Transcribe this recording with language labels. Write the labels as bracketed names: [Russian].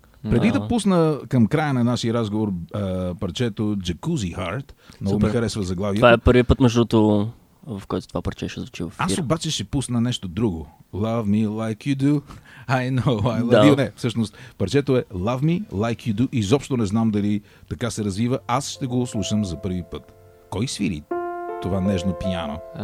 [Bulgarian] Преди да пусна към края на нашия разговор парчето Jacuzzi Heart, много ми харесва заглавието. Това е първият път между другото, в който това парче ще звучи в ефир. Аз обаче ще пусна нещо друго. [English] Love me like you do, I know I love you. [Bulgarian] Не, всъщност парчето е [English] Love me like you do. [Bulgarian] Изобщо не знам дали така се развива. Аз ще го слушам за първи път. Кой свири това нежно пияно?